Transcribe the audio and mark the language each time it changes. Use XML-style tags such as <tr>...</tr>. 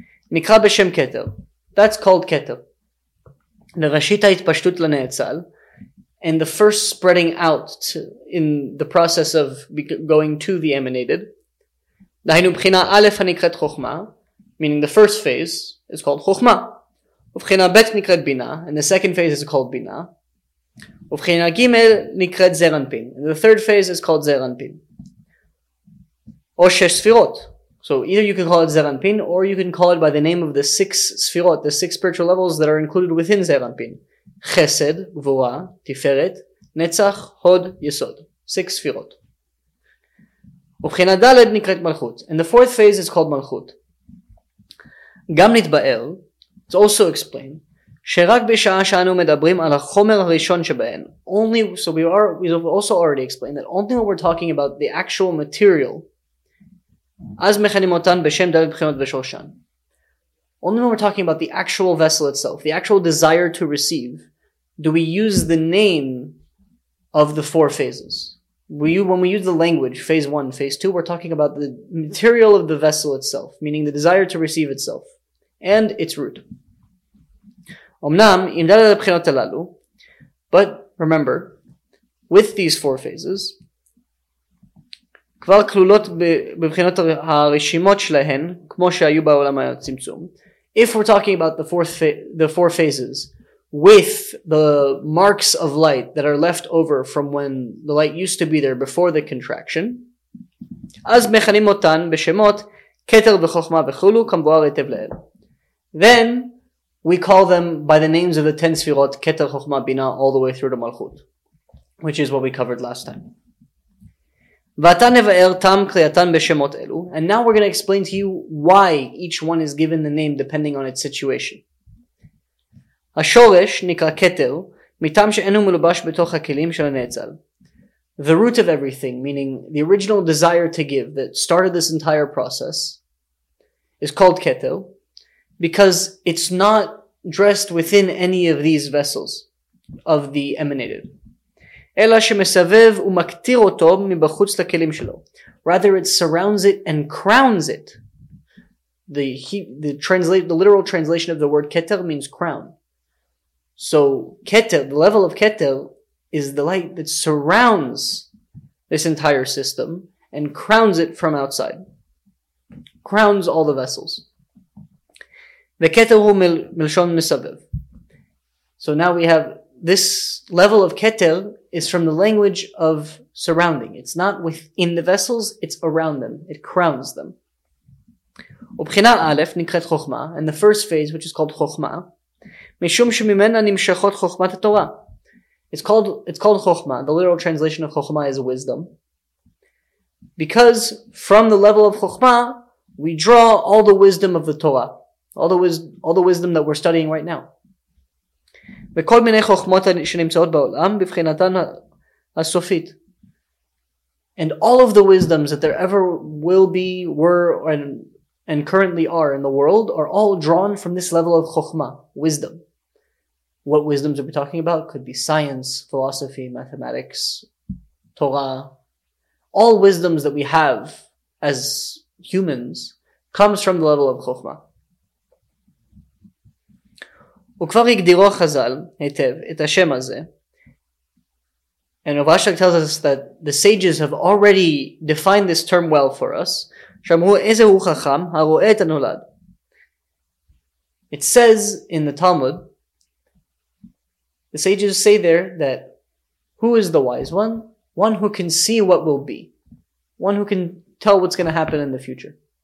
<he>נקרא בשם כתר,</he> <en>that's called</en> <he>כתר, לראשית ההתפשטות לנאצל,</he> <en>and the first spreading out to, in the process of going to the emanated,</en> <he>דהיינו בחינה א' הנקראת חוכמה,</he> <en>meaning the first phase is called חוכמה,</en> <he>ובחינה ב' נקראת בינה,</he> <en>and the second phase is called בינה,</en> <he>ובחינה ג' נקראת זרנפין,</he> <en>and the third phase is called זרנפין.</en> <he>או שש ספירות.</he> <en>So either you can call it זרנפין, or you can call it by the name of the six ספירות, the six spiritual levels that are included within זרנפין.</en> <he>חסד, גבורה, תפארת, נצח, הוד, יסוד.</he> <en>Six ספירות.</en> <he>ובחינה ד' נקראת מלכות,</he> <en>and the fourth phase is called מלכות.</en> <he>גם נתבאר,</he> <en>it's also explained,</en> <he>שרק בשעה שאנו מדברים על החומר הראשון שבהן,</he> <en>only, so we've also already explained that only when we're talking about the actual material,</en> <he>אז מכנים אותן בשם דלת בחינות ושורשן.</he> <en>Only when we're talking about the actual vessel itself, the actual desire to receive, do we use the name of the four phases. When we use the language, phase one, phase two, we're talking about the material of the vessel itself, meaning the desire to receive itself, and its root.</en> <he>אמנם, אם דלת הבחינות הללו,</he> <en>but remember, with these four phases,</en> <he>כבר כלולות בבחינות הרשימות שלהן, כמו שהיו בעולם הצמצום,</he> <en>if we're talking about the four phases, with the marks of light that are left over from when the light used to be there before the contraction,</en> <he>אז מכנים אותן בשמות, כתר וחוכמה וכולו, כמבואר היטב לעיל.</he> <en>Then, we call them by the names of the 10 Sefirot, Keter, Chochma, Bina, all the way through to Malchut, which is what we covered last time. And now we're going to explain to you why each one is given the name depending on its situation.</en> <he>השורש נקרא כתר, מטעם שאינו מלובש בתוך הכלים של הנאצל.</he> <en>The root of everything, meaning the original desire to give that started this entire process, is called כתר, because it's not dressed within any of these vessels of the emanated.</en> <he>אלא שמסבב ומקטיר אותו מבחוץ לכלים שלו.</he> <en>Rather, it surrounds it and crowns it. The literal translation of the word keter means crown. So keter, the level of keter, is the light that surrounds this entire system and crowns it from outside. Crowns all the vessels.</en> <he>וכתר הוא מלשון מסבב.</he> <en>So now we have this level of כתר is from the language of surrounding. It's not within the vessels, it's around them. It crowns them.</en> <he>ובחינה א' נקראת חוכמה,</he> <en>and the first phase, which is called חוכמה,</en> <he>משום שממנה נמשכות חוכמת התורה.</he> <en>It's called חוכמה. The literal translation of חוכמה is wisdom. Because from the level of חוכמה, we draw all the wisdom of the Torah. All the wisdom that we're studying right now.</en> <he>וכל מיני חוכמות שנמצאות בעולם בבחינתן הסופית.</he> <en>And all of the wisdoms that there ever will be, were, and currently are in the world are all drawn from this level of chokhmah, wisdom. What wisdoms are we talking about? Could be science, philosophy, mathematics, Torah. All wisdoms that we have as humans comes from the level of chokhmah.</en> <he>וכבר הגדירו חזל היטב את השם הזה.</he> <en>And Rav Ashlag tells us that the sages have already defined this term well for us.</en> <he>שאמרו איזהו חכם הרואה את הנולד.</he> <en>It says in the Talmud, the sages say there that who is the wise one? One who can see what will be. One who can tell what's going to happen in the future.</en>